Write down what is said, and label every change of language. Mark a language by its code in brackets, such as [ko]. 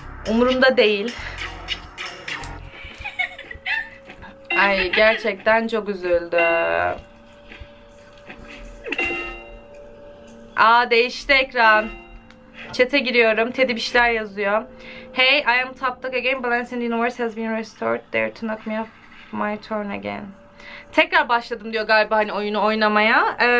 [tr] Umurumda değil. Ay gerçekten çok üzüldüm. Aa değişti ekran. Chat'e giriyorum. Teddy bir şeyler yazıyor. [en] Hey, I am topped again. Balance in the universe has been restored. Dare to knock me off my throne again. [tr] Tekrar başladım diyor galiba hani oyunu oynamaya.